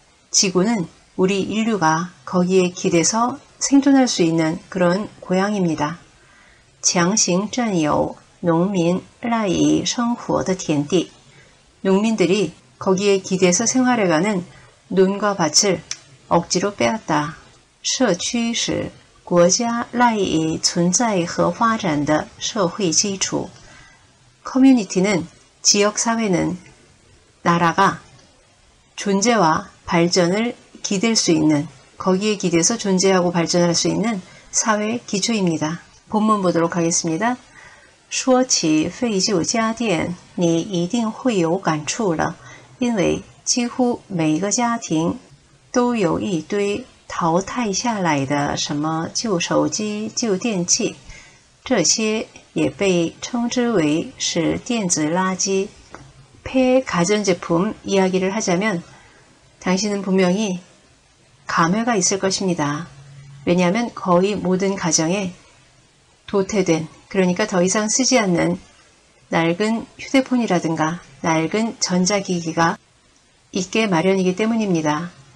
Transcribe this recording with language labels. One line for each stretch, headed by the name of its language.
Korean: 지구는 우리 인류가 거기에 기대서 생존할 수 있는 그런 고향입니다.
Chinese: 强行占有农民赖以生活的田地
Korean: 농민들이 거기에 기대서 생활해가는 논과 밭을 억지로 빼앗다.
Chinese: 社区是国家赖以存在和发展的社会基础 커뮤니티는
Korean: 지역사회는 나라가 존재와 발전을 기댈 수 있는 거기에 기대서 존재하고 발전할 수 있는 사회의 기초입니다. 본문 보도록 하겠습니다.
Chinese: 说起废旧家电，你一定会有感触了，因为几乎每一个家庭都有一堆淘汰下来的什么旧手机、旧电器，这些也被称之为是电子垃圾。
Korean: 폐 가전제품 이야기를 하자면 당신은 분명히 감회가 있을 것입니다. 왜냐하면 거의 모든 가정에 도태된, 그러니까 더 이상 쓰지 않는 낡은 휴대폰이라든가 낡은 전자기기가 있게 마련이기 때문입니다.